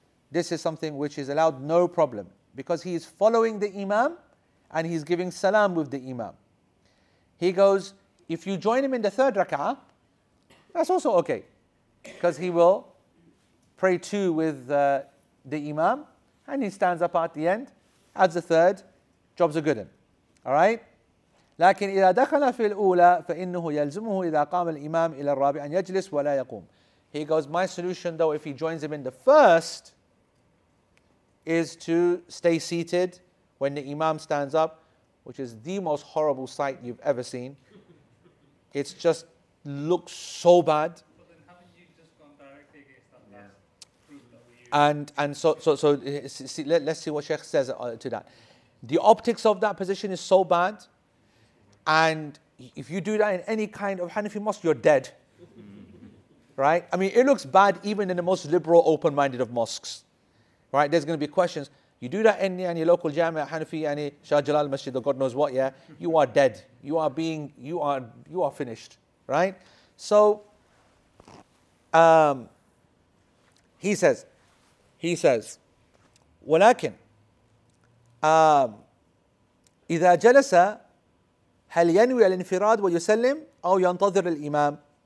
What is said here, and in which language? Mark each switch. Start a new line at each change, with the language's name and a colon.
English: This is something which is allowed, no problem. Because he is following the imam and he's giving salam with the imam. He goes, if you join him in the third rak'ah, that's also okay. Because he will pray two with the imam and he stands up at the end, adds a third, jobs are good in. Alright?
Arabic: لكن إذا دخل في الأولى فإنه يلزمه إذا قام الإمام إلى الرابع أن يجلس ولا يقوم.
English: He goes, my solution though, if he joins him in the first, is to stay seated when the imam stands up, which is the most horrible sight you've ever seen. It just looks so bad. But then haven't you just gone directly against that last proof? Let's see what Sheikh says to that. The optics of that position is so bad. And if you do that in any kind of Hanafi mosque, you're dead. Right? I mean, it looks bad even in the most liberal, open-minded of mosques. Right, there's going to be questions. You do that in your local jamia, Hanafi, any Shah Jalal Masjid, or God knows what, yeah? You are dead. You are finished. Right? So, he says,
Arabic: ولكن, إذا جلس هل ينوي الانفراد ويسلم أو ينتظر الإمام?